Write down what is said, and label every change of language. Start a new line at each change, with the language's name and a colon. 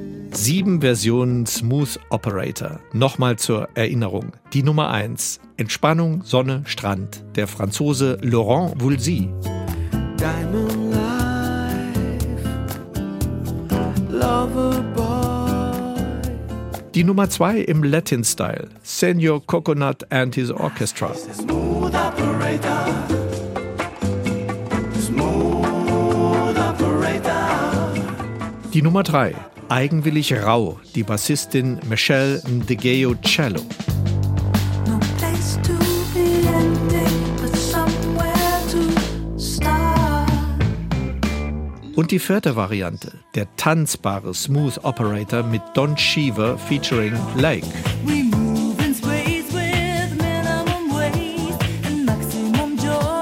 German: 7 Versionen Smooth Operator. Nochmal zur Erinnerung. Die Nummer 1. Entspannung, Sonne, Strand. Der Franzose Laurent Voulzy. Diamond Life, Lover Boy. Die Nummer 2 im Latin Style. Senor Coconut and his Orchestra. Smooth Operator. Die Nummer 3, eigenwillig rau, die Bassistin Michelle Ndegeo Cello.
English: No place to be ending, but somewhere to start.
German: Und die vierte Variante, der tanzbare Smooth Operator mit Don Cheever featuring Lake.
English: We move in space with minimum wage and maximum joy.